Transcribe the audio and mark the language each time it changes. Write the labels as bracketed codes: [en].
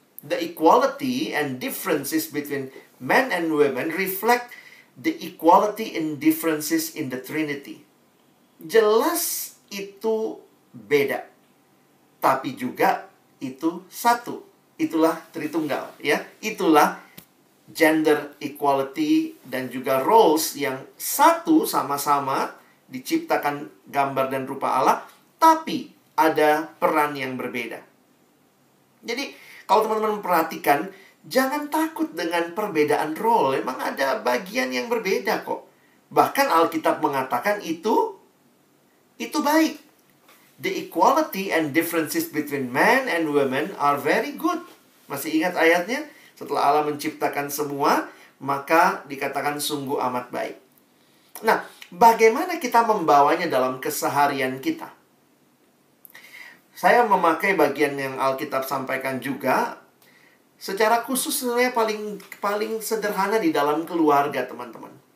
[en] The equality and differences between men and women reflect the equality and differences in the Trinity. [id] Jelas itu beda, tapi juga itu satu. Itulah Tritunggal, ya. Itulah gender equality dan juga roles yang satu, sama-sama diciptakan gambar dan rupa Allah, tapi ada peran yang berbeda. Jadi, kalau teman-teman perhatikan, jangan takut dengan perbedaan role. Emang ada bagian yang berbeda kok. Bahkan Alkitab mengatakan itu baik. [en] The equality and differences between men and women are very good. [id] Masih ingat ayatnya? Setelah Allah menciptakan semua, maka dikatakan sungguh amat baik. Nah, bagaimana kita membawanya dalam keseharian kita? Saya memakai bagian yang Alkitab sampaikan juga. Secara khusus sebenarnya paling sederhana di dalam keluarga, teman-teman.